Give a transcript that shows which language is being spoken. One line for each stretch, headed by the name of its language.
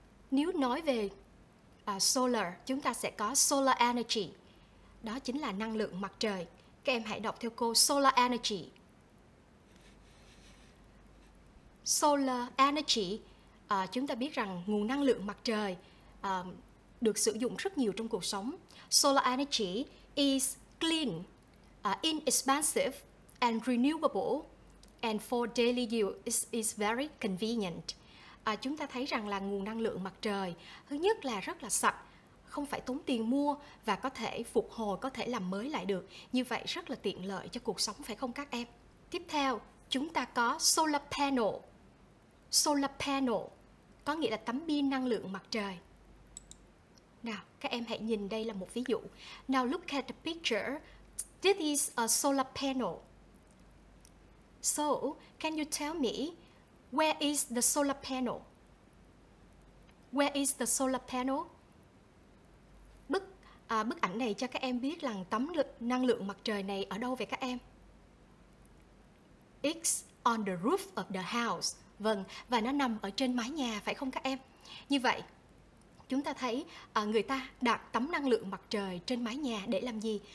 Vietnamese: Nếu nói về solar, chúng ta sẽ có solar energy. Đó chính là năng lượng mặt trời. Các em hãy đọc theo cô, solar energy. Solar energy, chúng ta biết rằng nguồn năng lượng mặt trời được sử dụng rất nhiều trong cuộc sống.
English: Solar energy is clean, inexpensive and renewable, and for daily use is very convenient.
Vietnamese: Chúng ta thấy rằng là nguồn năng lượng mặt trời thứ nhất là rất là sạch, không phải tốn tiền mua và có thể phục hồi, có thể làm mới lại được. Như vậy rất là tiện lợi cho cuộc sống, phải không các em? Tiếp theo, chúng ta có solar panel. Solar panel có nghĩa là tấm pin năng lượng mặt trời. Nào, các em hãy nhìn đây là một ví dụ.
English: Now look at the picture. This is a solar panel. So, can you tell me where is the solar panel? Where is the solar panel?
Vietnamese: Bức ảnh này cho các em biết rằng tấm năng lượng mặt trời này ở đâu vậy các em?
English: It's on the roof of the house.
Vietnamese: Vâng, và nó nằm ở trên mái nhà, phải không các em? Như vậy, chúng ta thấy người ta đặt tấm năng lượng mặt trời trên mái nhà để làm gì?